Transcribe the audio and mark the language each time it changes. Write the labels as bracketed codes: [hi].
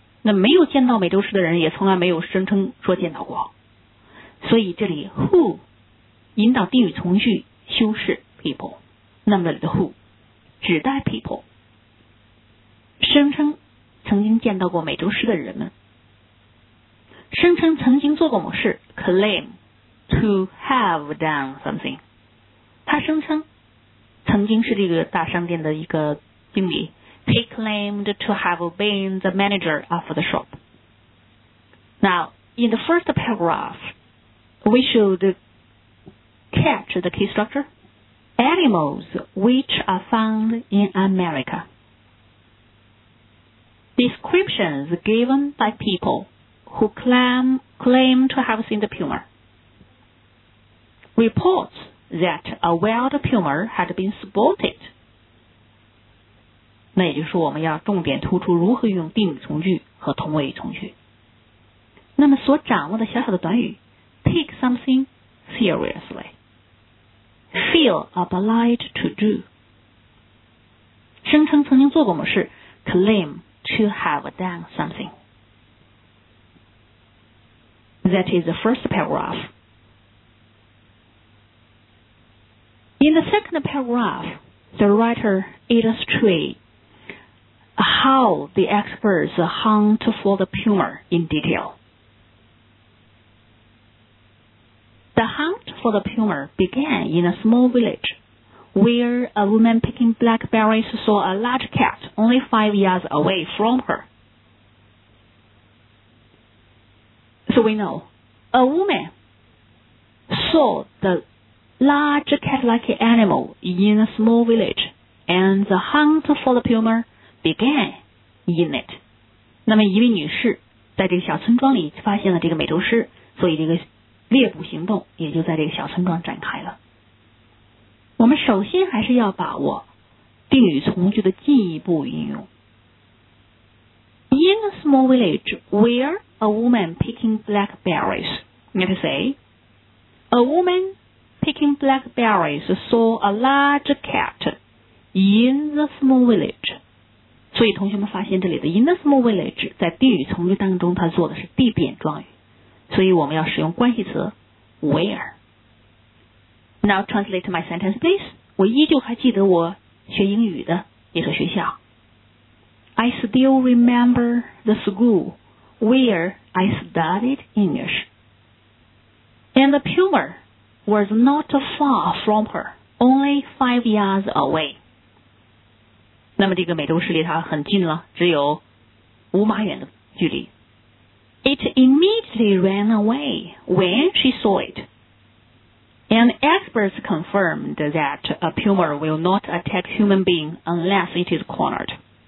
[zh] 那没有见到美洲狮的人也从来没有声称说见到过。所以这里 who 引导定语从句修饰 people， 那么这里的 who 指代 people， 声称曾经见到过美洲狮的人们，声称曾经做过某事 [en] claim to have done something， [zh] 他声称曾经是这个大商店的一个经理。 [en] He claimed to have been the manager of the shop. Now, in the first paragraph, we should catch the key structure. Animals which are found in America. Descriptions given by people who claim to have seen the puma. Reports that a wild puma had been spotted. [zh] 那也就是我们要重点突出如何用定语从句和同位语从句。那么所掌握的小小的短语 [en] take something seriously, feel obliged to do, [zh] 声称曾经做过某事 [en] claim to have done something. That is the first paragraph. In the second paragraph, the writer illustrates. How the experts hunt for the puma in detail. The hunt for the puma began in a small village where a woman picking blackberries saw a large cat only 5 yards away from her. So we know a woman saw the large cat-like animal in a small village and the hunt for the puma began. In it. [zh] 那么一位女士在这个小村庄里发现了这个美洲狮，所以这个猎捕行动也就在这个小村庄展开了。我们首先还是要把握定语从句的进一步运用。 [en] In a small village where a woman picking blackberries, let me say, a woman picking blackberries saw a large cat in the small village. [zh] 所以同学们发现这里的 in a small village 在定语从句当中它做的是地点状语，所以我们要使用关系词 where. [en] Now translate my sentence please. [zh] 我依旧还记得我学英语的那所学校。 [en] I still remember the school where I studied English. And the puma was not far from her, only 5 yards away. [zh] 那么这个美洲狮离它很近了，只有5码远的距离。 [en] It immediately ran away when she saw it. And experts confirmed that a puma will not attack human being unless it is cornered.